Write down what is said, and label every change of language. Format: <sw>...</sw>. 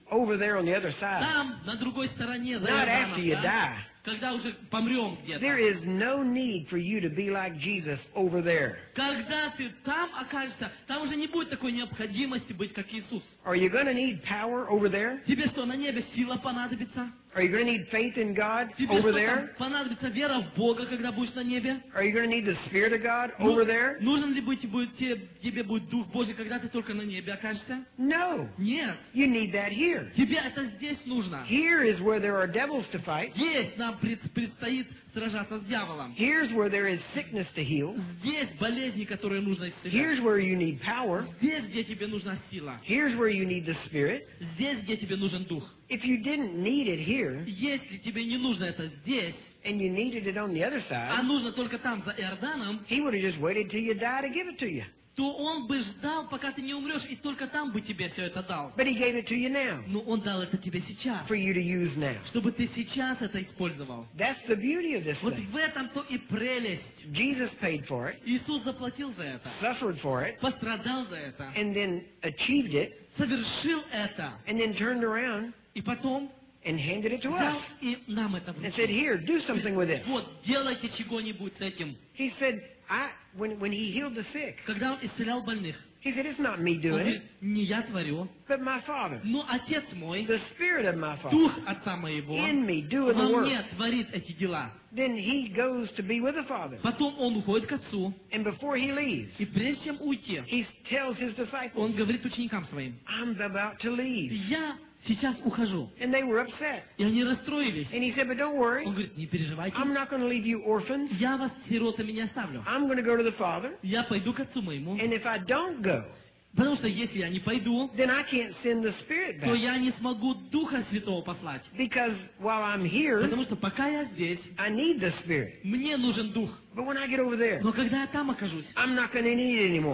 <en>Over there on the other side.</en> <ru>Там, на другой стороне.</ru> <en>Not after</en> <ru>нам,</ru> <en>you</en> <ru>да?</ru> <en>die.</en> <ru>Когда уже помрем где-то.</ru> <en>There is no need for you to be like Jesus over there.</en> <ru>Когда ты там окажешься, там уже не будет такой необходимости быть как Иисус.</ru> <en>Are you going to need power over there?</en> <ru>Тебе что, на небе сила понадобится?</ru> <en>Are you going to need faith in God</en> <ru>тебе</ru> <en>over</en> <ru>что,</ru> <en>there?</en> <ru>Тебе что, понадобится вера в Бога, когда будешь на небе?</ru> <en>Are you going to need the Spirit of God over there?</en> <ru>Нужен ли тебе будет Дух Божий, когда ты только на небе окажешься?</ru> <en>No.</en> <ru>Нет.</ru> <en>You need that here.</en> <ru>Тебе это здесь нужно.</ru> <en>Here is where there are devils to fight.</en> <ru>Здесь нам предстоит сражаться с дьяволом.</ru> <en>Here's where there is sickness to heal.</en> <ru>Здесь болезни, которые нужно исцелять.</ru> <en>Here's where you need power.</en> <ru>Здесь, где тебе нужна сила.</ru> <en>Here's where you need the Spirit.</en> <ru>Здесь, где тебе нужен Дух.</ru> <en>If you didn't need it here,</en> <ru>если тебе не нужно это здесь,</ru> <en>and you needed it on the other side,</en> <ru>а нужно только там, за Иорданом,</ru> <en>he would have just waited till you died to give it to you.</en> <ru>то он бы ждал, пока ты не умрешь, и только там бы тебе все это дал.</ru> <en>But he gave it to you now.</en> <ru>Но он дал это тебе сейчас.</ru> <en>For you to use now.</en> <ru>Чтобы ты сейчас это использовал.</ru> <en>That's the beauty of this thing.</en> <ru>Вот в этом-то и прелесть.</ru> <en>Jesus paid for it.</en> <ru>Иисус заплатил за это.</ru> <en>Suffered for it.</en> <ru>Пострадал за это.</ru> <en>And then achieved it.</en> <ru>Совершил это.</ru> <en>And then turned around.</en> <ru>И потом.</ru> <en>And handed it to us. And said, "Here, do something with it."</en> <ru>Вот делайте чего-нибудь с этим.</ru> <en>He said, "I when he healed the sick."</en> <ru>Когда он исцелял больных.</ru> <en>He said, "It's not me doing it."</en> <ru>Не я творю.</ru> <en>But my Father.</en> <ru>Но отец мой.</ru> <en>The Spirit of my Father.</en> <ru>Дух отца моего.</ru> <en>In me doing the work.</en> <ru>Во мне творит эти дела.</ru> <en>Then he goes to be with the Father.</en> <ru>Потом он уходит к отцу.</ru> <en>And before he leaves.</en> <ru>И прежде чем уйти.</ru> <en>He tells his disciples.</en> <ru>Он говорит ученикам своим.</ru> <en>I'm about to leave.</en> <ru>Я сейчас ухожу.</ru> <en>And they were upset.</en> <ru>И они расстроились.</ru> <en>And he said, "But don't worry.</en> <ru>Он говорит, не переживайте.</ru> <en>I'm not going to leave you orphans.</en> <ru>Я вас сиротами не оставлю.</ru> <en>I'm going to go to the Father.</en> <ru>Я пойду к отцу моему.</ru> <en>And if I don't go,</en> <ru>потому что если я не пойду,</ru> <en>then I can't send the Spirit back.</en> <ru>То я не смогу Духа Святого послать.</ru> <en>Because while I'm here,</en> <ru>потому что пока я здесь,</ru> <en>I need the Spirit.</en> <ru>Мне нужен Дух.</ru> <en>But when I get over there,</en> <ru>но когда я там окажусь,</ru> <en>I'm not going to need it anymore.</en>